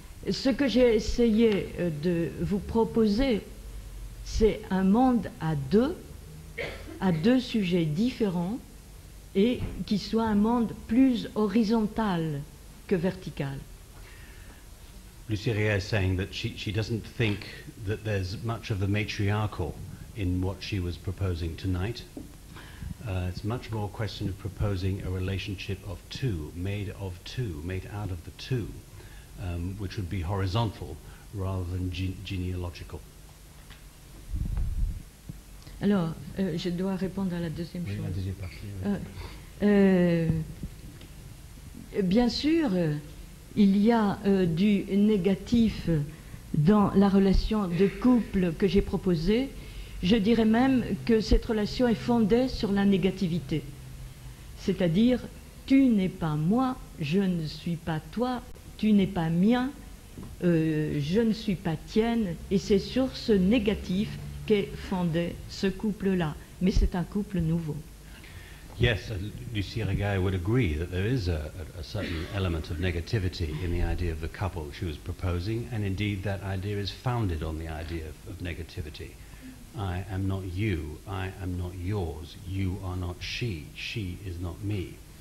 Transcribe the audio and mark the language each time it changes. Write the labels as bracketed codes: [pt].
[fr] Ce que j'ai essayé de vous proposer, c'est un monde à deux sujets différents, et qui soit un monde plus horizontal que vertical. [en] Luce Irigaray is saying that she doesn't think that there's much of the matriarchal in what she was proposing tonight. It's much more a question of proposing a relationship of two, made of two, made out of the two. Which would be horizontal rather than genealogical. [fr] Alors, je dois répondre à la deuxième chose. Oui, la deuxième partie. Bien sûr, il y a du négatif dans la relation de couple que j'ai proposée. Je dirais même que cette relation est fondée sur la négativité. C'est-à-dire, tu n'es pas moi, je ne suis pas toi. Tu n'es pas mien, je ne suis pas tienne, et c'est sur ce négatif qu'est fondé ce couple-là. Mais c'est un couple nouveau. [en] Yes, Luce Irigaray would agree that there is a certain element of negativity in the idea of the couple she was proposing, and indeed that idea is founded on the idea of negativity. I am not you, I am not yours, you are not she, she is not me.